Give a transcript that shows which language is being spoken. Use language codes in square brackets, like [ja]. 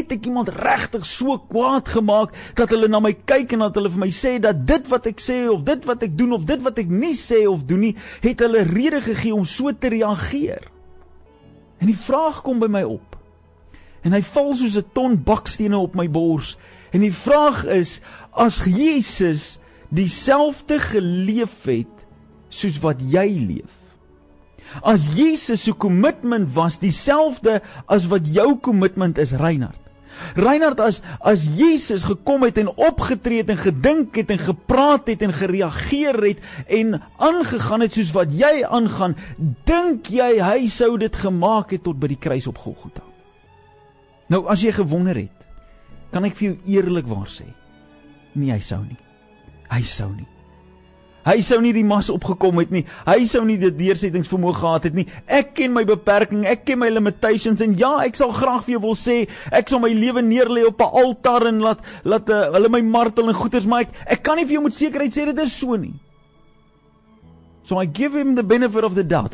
[af] Het ek iemand regtig so kwaad gemaak dat hulle na my kyk en dat hulle vir my sê dat dit wat ek sê of dit wat ek doen of dit wat ek nie sê of doen nie, het hulle rede gegee om so te reageer? En die vraag kom by my op en hy val soos 'n ton bakstene op my bors en die vraag is, as Jesus dieselfde geleef het soos wat jy leef. As Jesus se commitment was dieselfde as wat jou commitment is, Reinhard. Reinhard, as Jesus gekom het en opgetree het en gedink het en gepraat het en gereageer het en aangegaan het soos wat jy aangaan, dink jy hy sou dit gemaak het tot by die kruis op Golgotha? Nou, as jy gewonder het, kan ek vir jou eerlikwaar sê, nie, hy sou nie. Hy sou nie. Hy sou nie die mas opgekom het nie. Hy sou nie die deursettingsvermoë gehad het nie. Ek ken my beperking, ek ken my limitations en ja, ek sal graag vir jou wil sê, ek sal my lewe neerlê op 'n altaar en laat hulle my martel en goeters, maar ek kan nie vir jou met sekerheid sê dit is so nie. [en] So I give him the benefit of the doubt.